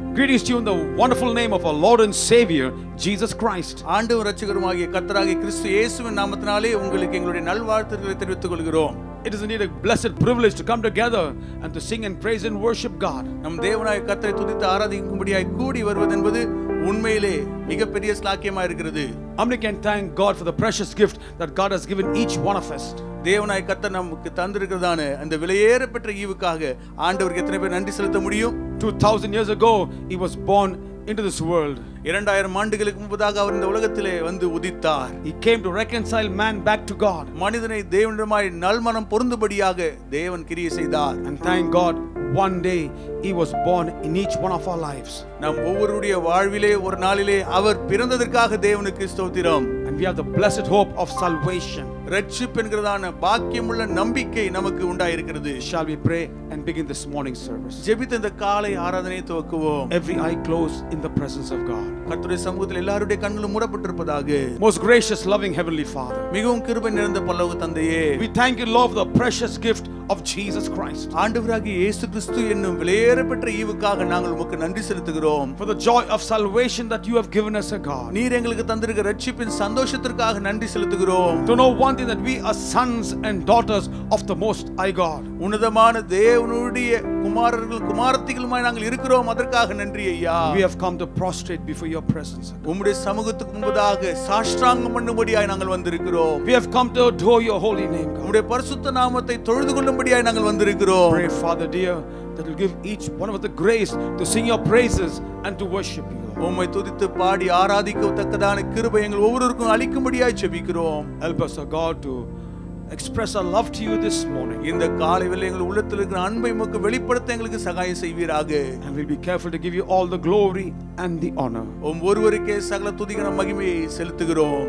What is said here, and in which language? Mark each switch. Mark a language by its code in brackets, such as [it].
[en] Greetings to you in the wonderful name of our Lord and Savior Jesus Christ. [ta] ஆண்டவர் இரட்சகருமாகிய கர்த்தராகிய கிறிஸ்து இயேசுவின் நாமத்தினாலே உங்களுக்கு எங்களுடைய நல்வாழ்த்துக்களை தெரிவித்துக் கொள்கிறோம். [en] It is indeed a blessed privilege to come together and to sing and praise and worship God. [ta] நம் தேவனாய் கர்த்தரை துதித்து ஆராதிக்கும்படியாய் கூடி வருவது என்பது உண்மையிலே மிகப்பெரிய சாக்கியமாக இருக்கிறது. [en] We can thank God for the precious gift that God has given each one of us. [ta] தேவனாய் கர்த்தர் நமக்கு தந்திருக்கிறதான அந்த விலையேறப்பெற்ற ஈவுக்காக ஆண்டவருக்கு எத்தனை பேர் நன்றி செலுத்த முடியும்? [en] 2000 years ago he was born into this world. [ta] 2000 ஆண்டுகளுக்கு முன்பதாக அவர் இந்த உலகத்திலே வந்து உதித்தார். [en] He came to reconcile man back to God. [ta] மனிதனை தேவனுடமாய் நல்மனம் பொருந்தும்படியாக தேவன் கிரியை செய்தார். [en] And thank God one day he was born in each one of our lives. [ta] நம் ஒவ்வொருடைய வாழ்விலே ஒரு நாளிலே அவர் பிறந்ததற்காக தேவனுக்கு ஸ்தோத்திரம். [en] And we have the blessed hope of salvation. [ta] இரட்சிப்பு என்கிறதான பாக்கியமுள்ள நம்பிக்கை நமக்கு உண்டாயிருக்கிறது. [en] Shall we pray and begin this morning service? [ta] ஜெபித்து இந்த காலை ஆராதனையை துவக்குவோம். [en] Every eye closed in the presence of God. [ta] கர்த்தருடைய சமூகத்தில் எல்லாருடைய கண்களும் மூடப்பட்டிருப்பதாக. [en] Most gracious loving heavenly Father. [ta] மிகவும் கிருபை நிறைந்த பரலோக தந்தையே. [en] We thank you Lord for the precious gift of Jesus Christ. [ta] ஆண்டவராகிய இயேசு கிறிஸ்து என்னும் விலையேறப்பெற்ற ஈவுக்காக நாங்கள் உமக்கு நன்றி செலுத்துகிறோம். [en] For the joy of salvation that you have given us, O God. [ta] நீர் எங்களுக்கு தந்திருக்க இரட்சிப்பின் சந்தோஷத்திற்காக நன்றி செலுத்துகிறோம். [en] To know one thing that we are sons and daughters of the Most High God. [ta] உன்னதமான தேவனுடைய குமாரர்கள் குமாரத்திகளுமாய் நாங்கள் இருக்கிறோம். அதற்காக நன்றி ஐயா. [en] We have come to prostrate before your presence. [ta] உம்முடைய சமூகத்துக்கு முன்பதாக சாஷ்டாங்கம் பண்ணும்படியாய் நாங்கள் வந்திருக்கிறோம். [en] We have come to adore your holy name. [ta] உம்முடைய பரிசுத்த நாமத்தை தொழுது கொள்ளும்படியாய் நாங்கள் வந்திருக்கிறோம். [en] Pray Father dear that will give each one of us the grace to sing your praises and to worship you. [ta] உம்மை துதித்து பாடி ஆராதிக்க தக்கதான கிருபை எங்கள் ஒவ்வொருவருக்கும் அளிக்கும்படியாய் ஜெபிக்கிறோம். [en] Help us O God to express our love to you this morning. [ta] இந்த காலையில் எங்கள் உள்ளத்தில் இருக்கிற அன்பை உமக்கு வெளிப்படுத்த எங்களுக்கு சகாயம் செய்வீராக. [en] And we'll be careful to give you all the glory and the honor. [ta] உம் ஒவ்வொருவருக்கே சகல துதிகளும் மகிமையை செலுத்துகிறோம்.